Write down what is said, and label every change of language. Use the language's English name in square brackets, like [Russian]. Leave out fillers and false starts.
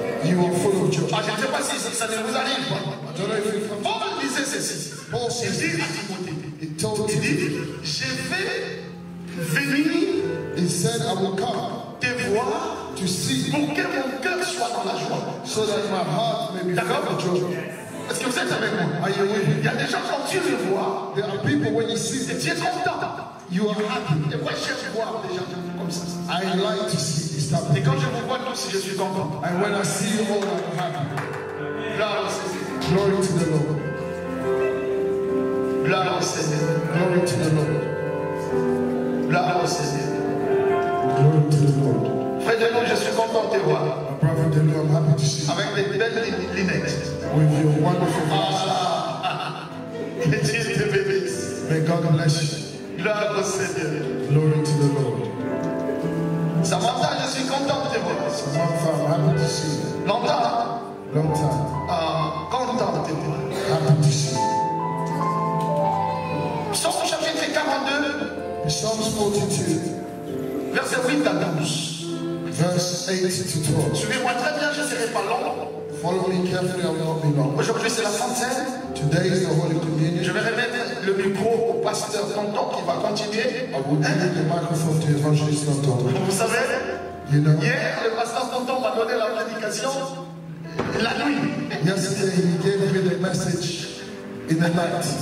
[English] You are full of joy. [French] Je ne sais pas si ça ne vous arrive pas. Paul disait ceci. Paul dit à Timothée. Il dit, je vais venir. [English] He said, I will come. [French] Te voir. [English] To see. [French] Pour que mon cœur soit dans la joie. [English] So that my heart may be full of joy. [French] Est-ce que vous êtes avec moi? [English] Are you [French] il y a des gens quand tu le vois. [English] There are people when you see them. [French] Tu es content. [English] You are happy. [French] Et moi je cherche à voir des gens comme ça. [English] I like to see this type of. [French] Et quand je vous vois tous, je suis content. [English] And when I see you all, I'm happy. [French] Gloire au Seigneur. [English] Glory to the Lord. [French] Gloire au Seigneur. [English] Glory to the Lord. [French] Gloire au Seigneur. [English] Glory to the Lord. [French] Frère de nous, je suis content de te voir. [English] I'm happy to see you. [French] Avec les belles lunettes. [English] With your wonderful glasses. May God bless you. [French] Gloire au Seigneur. [English] Glory to the Lord. [French] Samantha, je suis content de voir. [English] Samantha, I'm happy to see you. Long time. Long time. [French] Content de voir. [English] Happy to see you. [French] Psalm chapitre 42. [English] Psalm 42. [French] Verset 8 à 12. [English] Verse 8 to 12. [French] Suivez-moi très bien, je ne serai pas long. [English] Follow me carefully, I will not be long. [French] Aujourd'hui c'est la centaine. [English] Today is the Holy Communion. [French] Je vais remettre le micro au pasteur Tonton qui va continuer. [English] I will give the microphone to Evangelist Tonton. [French] Vous savez, [English] you know, [French] hier le pasteur Tonton m'a donné la prédication la nuit. [English] Yesterday he gave me the message in the night.